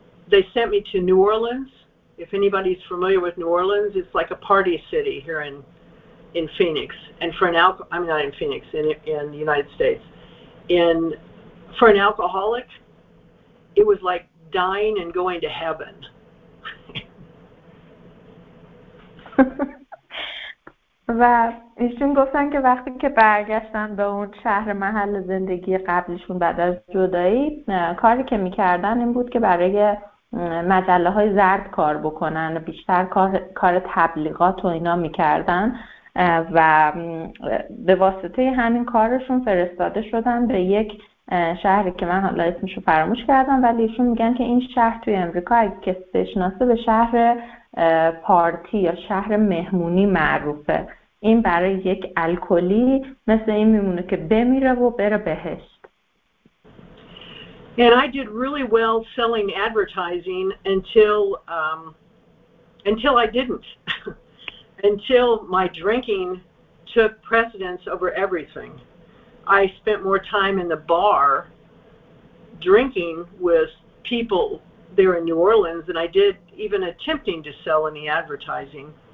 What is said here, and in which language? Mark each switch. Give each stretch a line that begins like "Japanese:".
English: They sent me to New Orleans. If anybody's familiar with New Orleans, it's like a party city here in Phoenix. And for an for an alcoholic, it was like dying and going to heaven.
Persian: و ایشون گفتن که وقتی که برگشتن به اون شهر محل زندگی قبلیشون بعد از جدایی، کاری که میکردن این بود که برای مجله های زرد کار بکنن، بیشتر کار تبلیغات و اینا میکردن و به واسطه همین کارشون فرستاده شدن به یک شهری که من حالا اسمشو فراموش کردم، ولی ایشون میگن که این شهر توی امریکا اگه کسی بشناسه به شهر پارتی یا شهر مهمونی معروفه. این برای یک الکلی مثل این میمونه که بمیره و بره بهشت.
English: And I did really well selling advertising until I didn't. Until my drinking took precedence over everything. I spent more time in the bar drinking with people there in New Orleans than I did even attempting to sell any advertising.